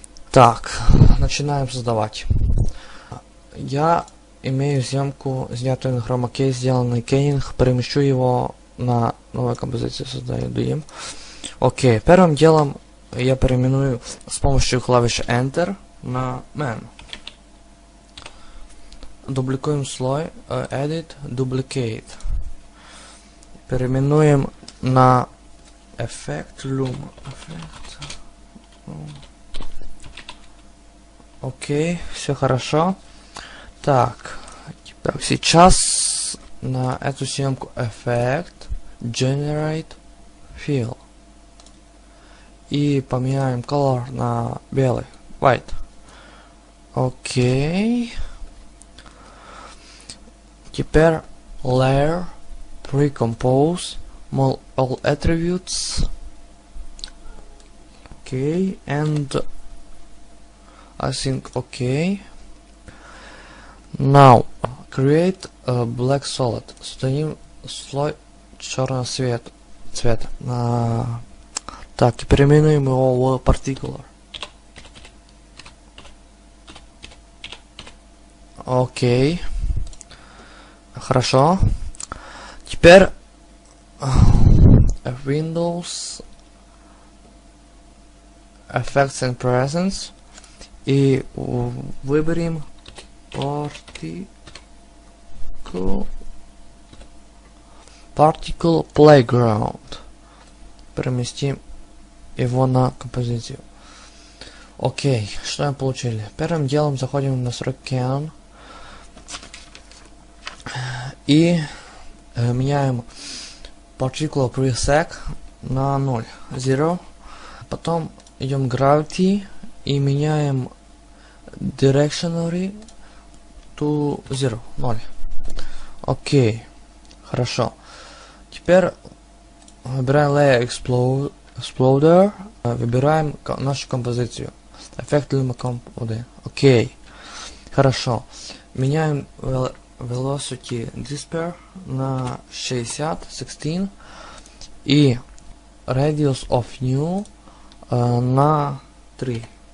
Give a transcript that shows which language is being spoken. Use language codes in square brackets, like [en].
[ru] Так, начинаем создавать. Я имею съемку, снятую на хромакей, сделанный кейнинг, перемещу его на новую композицию, создаю дым. Окей, первым делом я переименую с помощью клавиши Enter на Man. Дубликуем слой, Edit, Duplicate. Переименуем на Effect, Loom, Effect. Окей, все хорошо. Так, сейчас на эту съемку Effect, Generate, Fill. И поменяем color на белый, white. Окей. Теперь Layer, Pre-compose, All Attributes. [en] Окей, and I think окей. Now, create a black solid. [ru] Создаем слой черного цвета. Так, и переименуем его в particular. Окей. Хорошо. Теперь Windows Effects and Presence. И выберем Particle Playground. Переместим его на композицию. Окей, что мы получили? Первым делом заходим в настройки Canon и меняем Particle Preset на 0, 0. Потом идем Gravity и меняем Directionary to 0, 0. Окей, хорошо. Теперь выбираем Layer Exploder, выбираем нашу композицию. Effect Luma Comp 1. Окей, хорошо. Меняем Velocity Disper на 60, 16. И Radius of New на 3.